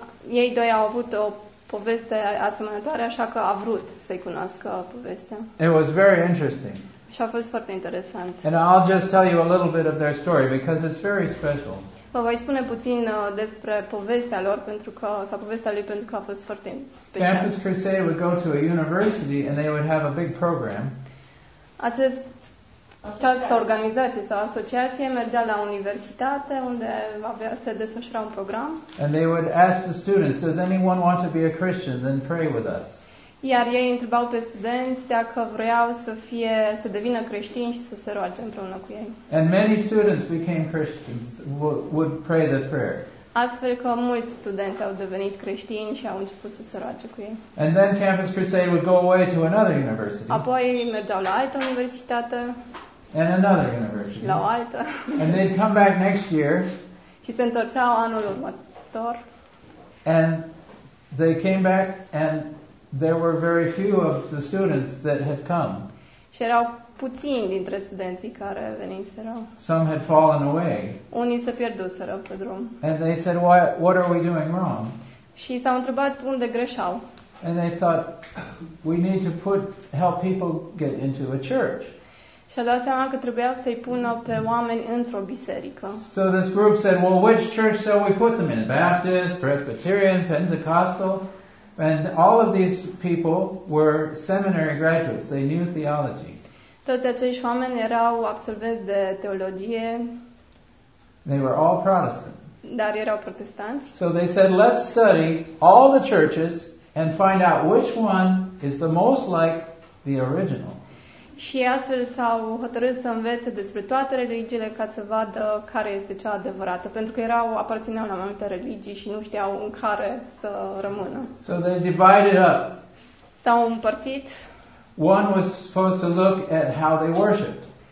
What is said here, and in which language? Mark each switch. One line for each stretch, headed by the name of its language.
Romanian: Ei doi au avut o poveste asemănătoare, așa că a vrut să-i cunoască povestea.
English: It was very interesting.
Romanian: Și a fost foarte interesant.
English: And I'll just tell you a little bit of their story, because it's very special.
Romanian: Vă voi spune puțin despre povestea lor pentru că sau povestea lui pentru că a fost foarte special.
English: Campus Crusade would go to a university and they would have a big program.
Romanian: Această organizație sau asociație mergea la universitate unde se desfășura un program.
English: And they would ask the students, does anyone want to be a Christian? Then pray with us.
Romanian: Iar ei întrebau pe studenți dacă vreau să devină creștini și să se roage împreună cu ei.
English: And many students became Christians, would pray the prayer.
Romanian: Astfel că mulți studenți au devenit creștini și au început să se roage cu ei.
English: And then Campus Crusade would go away to another university.
Romanian: Apoi mergeau la altă universitate.
English: And another university.
Romanian: La o altă.
English: And they'd come back next year.
Romanian: Și se întorceau anul următor.
English: And they came back and there were very few of the students that had come.
Romanian: Și erau puțini dintre studenții care veniseră.
English: Some had fallen away.
Romanian: Unii se pierduseră pe drum.
English: And they said, "Why? What are we doing wrong?"
Romanian: Și s-au întrebat unde greșeau.
English: And they thought, "We need to help people get into a church."
Romanian: Și au dat seama că trebuia să-i pună pe oameni într-o biserică.
English: So this group said, "Well, which church shall we put them in? Baptist, Presbyterian, Pentecostal?" And all of these people were seminary graduates. They knew theology.
Romanian: Toți acești oameni erau absolvenți de teologie.
English: They were all Protestant.
Romanian: Dar erau protestanți.
English: So they said, let's study all the churches and find out which one is the most like the original.
Romanian: Și astfel s-au hotărât să învețe despre toate religiile ca să vadă care este cea adevărată, pentru că aparțineau la mai multe religii și nu știau în care să rămână.
English: So they divided up.
Romanian: S-au împărțit.
English: One was supposed to look at how they worshipped.